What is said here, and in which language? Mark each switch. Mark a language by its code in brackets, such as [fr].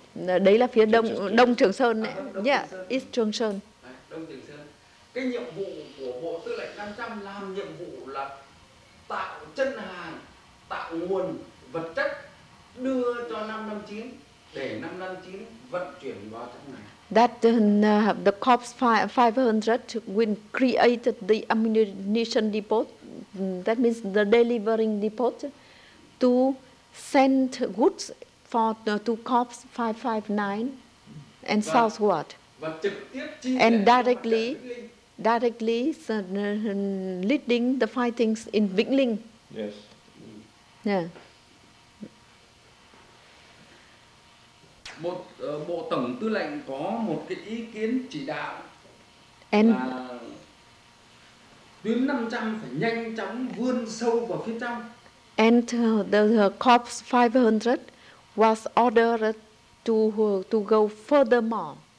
[vi] Đấy là phía đông Trường Sơn. [en] Yeah, East Trường Sơn. [vi] Đông Trường Sơn. Cái nhiệm vụ của Bộ Tư lệnh 500 làm nhiệm vụ là tạo chân hàng, tạo nguồn vật chất đưa cho 559 để 559 vận chuyển vào trong này. [en] That the corps 500 will create the ammunition depot, that means the delivering depot, to send goods for to corps 559 and southward. And directly leading the fightings in Vĩnh Linh. Yes. Yeah. [vi] Bộ Tổng Tư lệnh có một cái ý kiến chỉ đạo là tuyến 500 phải nhanh chóng vươn sâu vào phía trong. [en] And the corps 500 was ordered to go furthermore.